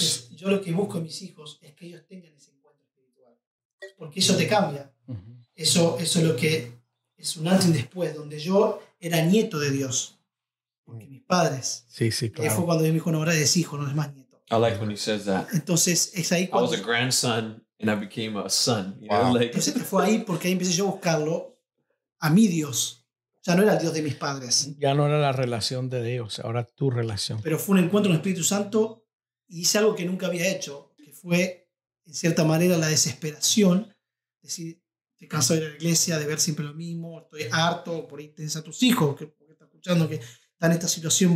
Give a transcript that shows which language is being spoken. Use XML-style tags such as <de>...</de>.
<es>Entonces, yo lo que busco en mis hijos es que ellos tengan ese encuentro espiritual. Porque eso te cambia. Uh-huh. Eso es lo que es un antes y después, donde yo era nieto de Dios. Porque mis padres. Sí, claro. Y fue cuando Dios me dijo, no, ahora eres hijo, no eres más nieto.</es> <en>I like when he says that.</en> <es>Entonces, es ahí cuando...</es> <en>I was a grandson and I became a son. Wow. You know, like...</en> <es>Entonces, fue ahí porque ahí empecé yo a buscarlo a mi Dios. Ya no era el Dios de mis padres. Ya no era la relación de Dios, ahora tu relación. Pero fue un encuentro con el Espíritu Santo y hice algo que nunca había hecho, que fue, en cierta manera, la desesperación. Es decir, te canso de ir a la iglesia, de ver siempre lo mismo, estoy harto, por ahí tenés a tus hijos, que están escuchando, que están en esta situación.</es>